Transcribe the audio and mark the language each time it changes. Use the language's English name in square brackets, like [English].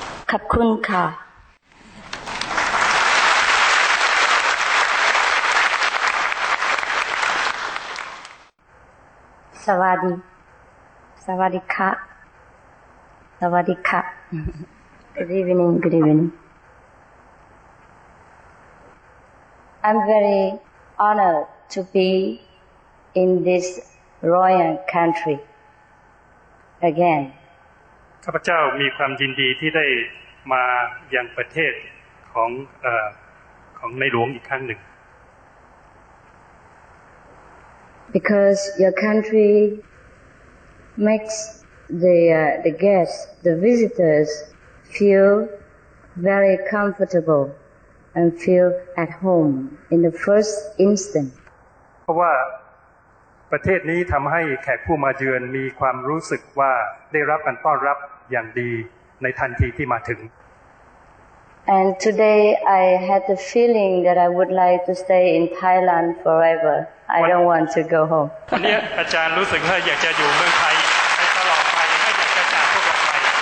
[Thai] ขอบคุณค่ะสวัสดีสวัสดีค่ะสวัสดีค่ะ [English] Good evening, good evening I'm very honored to be in this royal country again [Thai] ข้าพเจ้ามีความยินดีที่ได้มายังประเทศของของในหลวงอีกครั้งหนึ่ง [English] Because your country makes the guests the visitors feel very comfortable and feel at home in the first instant [Thai] เพราะว่าประเทศนี้ทำให้แขกผู้มาเยือนมีความรู้สึกว่าได้รับการต้อนรับอย่างดีในทันทีที่มาถึง [English] And today I had the feeling that I would like to stay in Thailand forever. I don't want to go home. [Thai] เนี่ยอาจารย์รู้สึกว่าอยากจะอยู่เมืองไทยให้ตลอดไปไม่อยากจะจากพวกเราไป